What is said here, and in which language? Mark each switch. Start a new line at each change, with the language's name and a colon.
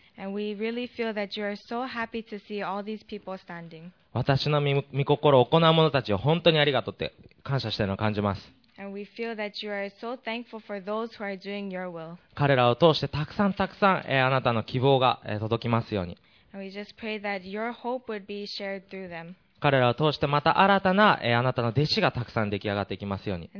Japanese: 私の御心を行う者たちを本当にありがとうって感謝しているのを感じます。彼らを通してたくさんたくさん、あなたの希望が、届きますように。
English: And we just pray that your hope would be shared through them.
Japanese: 彼らを通してまた新たな、あなたの弟子がたくさん出来上がっていきますように。